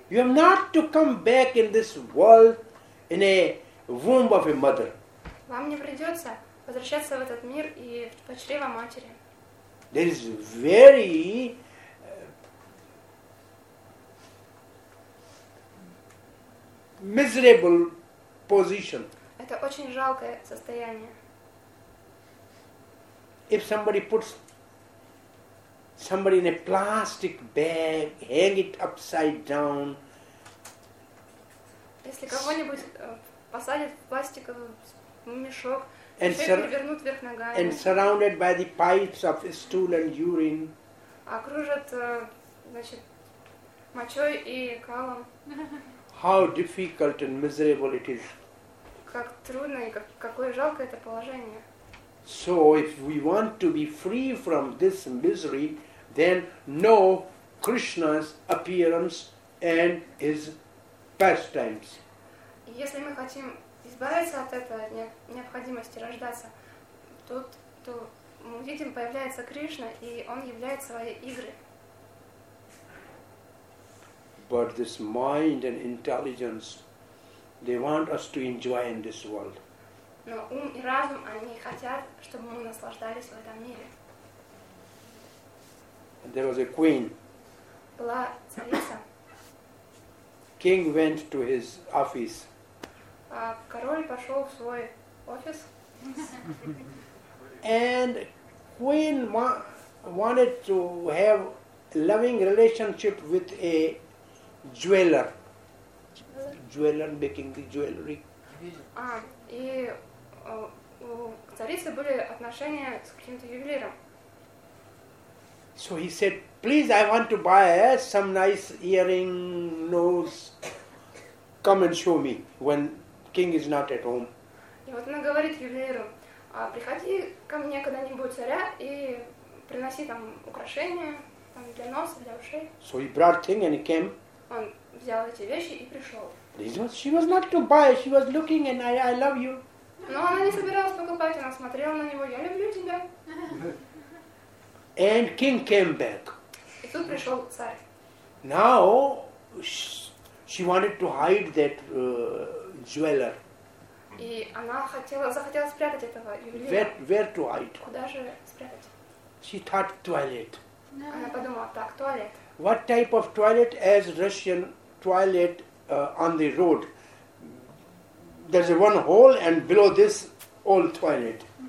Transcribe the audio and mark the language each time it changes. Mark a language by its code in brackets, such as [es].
[en] You have not to come back in this world in a womb of a mother. [ru] Вам не придется возвращаться в этот мир и в чрево матери. [en] There is very miserable position. [ru] Это очень жалкое состояние. [en] If somebody puts somebody in a plastic bag, hang it upside down. [ru] Если кого-нибудь посадят в пластиковый мешок, перевернут вверх ногами. [en] And surrounded by the pipes of stool and urine. [ru] Окружат, значит, мочой и калом. [en] How difficult and miserable it is. [ru] Как трудно и какое жалкое это положение. [en] So if we want to be free from this misery, then know Krishna's appearance and his pastimes. [ru] Если мы хотим избавиться от этого необходимости рождаться, то мы видим, появляется Кришна, и он являет свои игры. [en] But this mind and intelligence, they want us to enjoy in this world. [ru] Но ум и разум, они хотят, чтобы мы наслаждались в этом мире. [en] There was a queen. [ru] Была царица. [en] King went to his office. [ru] А король пошел в свой офис. [en] And queen wanted to have loving relationship with a jeweler. Jeweler making the jewelry. [ru] А, и у царицы были отношения с каким-то ювелиром. [en] So he said, please, I want to buy some nice earring, nose. Come and show me when king is not at home. [ru] И вот она говорит ювелиру, приходи ко мне когда-нибудь царя и приноси там украшения там для носа, для ушей. [en] So he brought thing and he came. [ru] Он взял эти вещи и пришел. [en] She was not to buy, she was looking and I love you. [ru] Но она не собиралась покупать, она смотрела на него, я люблю тебя. [en] And king came back. [ru] И тут пришел царь. [en] Now she wanted to hide that jeweler. [ru] И она захотела спрятать этого ювелира. [en] Where to hide? [ru] Куда же спрятать? [en] She thought toilet. [ru] Она подумала, так, туалет. [en] What type of toilet as Russian toilet on the road? There's one hole and below this old toilet.